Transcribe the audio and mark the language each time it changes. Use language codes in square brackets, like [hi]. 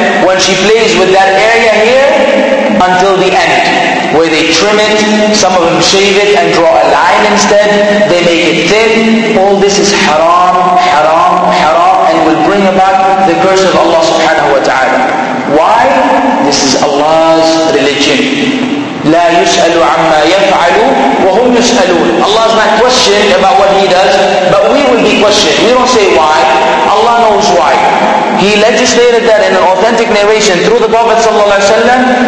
[en] When she plays with that area here, until the end, where they trim it, some of them shave it and draw a line instead, they make it thin. All this is haram, haram, haram, and will bring about the curse of Allah subhanahu wa ta'ala. Why? This is Allah's religion. [ar] لا يسأل عما يفعل وهم يسألون. [en] Allah is not questioned about what He does, but we will be questioned. We don't say why. Allah knows why. He legislated that in an authentic narration through the Prophet sallallahu alaihi wasallam.